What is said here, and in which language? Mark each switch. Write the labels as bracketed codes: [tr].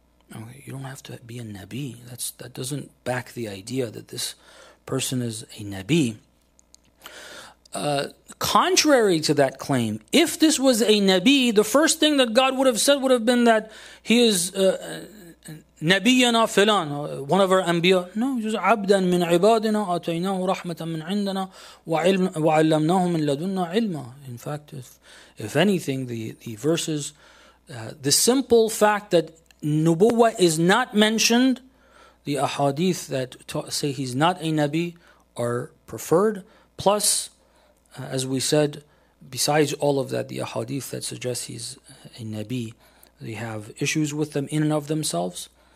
[en] Okay, you don't have to be a nabi. That doesn't back the idea that this person is a nabi. Contrary to that claim, if this was a nabi, the first thing that God would have said would have been that he is [ar] نبينا فلان, [en] one of our anbiya. No, just [ar] عبدا من عبادنا أتيناه رحمة من عندنا وعلمناه من لدنا علما. [en] In fact, if anything, the verses, the simple fact that Nubuwa is not mentioned, the ahadith that say he's not a Nabi are preferred. Plus, as we said, besides all of that, the ahadith that suggest he's a Nabi, they have issues with them in and of themselves.